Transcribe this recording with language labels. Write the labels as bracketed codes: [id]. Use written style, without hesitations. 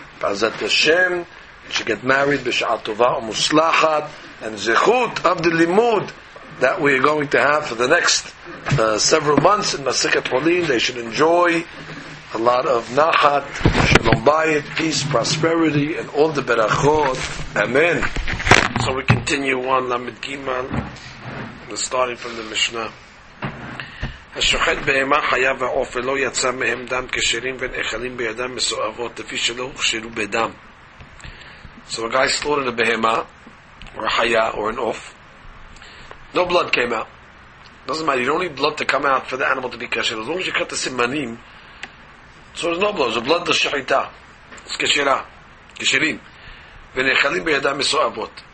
[en] Bazat Hashem, she get married, [he] b'sha'at tova u'muslachat, [en] and zechut of the limud that we are going to have for the next several months in Masechet Chulin. They should enjoy a lot of nachat, shalom bayit, peace, prosperity, and all the berachot. Amen. So we continue on Lamed Gimel, starting from the Mishnah. [he] השוחט בהמה חיה והעופל לא יצא מהם דם כשרים ונאכלים בידם מסואבות לפי שלא הוכשרו בדם. [en] So a guy slaughtered a behema, or a haya, or an off. No blood came out. Doesn't matter, you don't need blood to come out for the animal to be kasher. As long as you cut the simanim, so there's no blood, so blood does shechita. It's kashera, kasherim. [he] ונאכלים בידם מסואבות.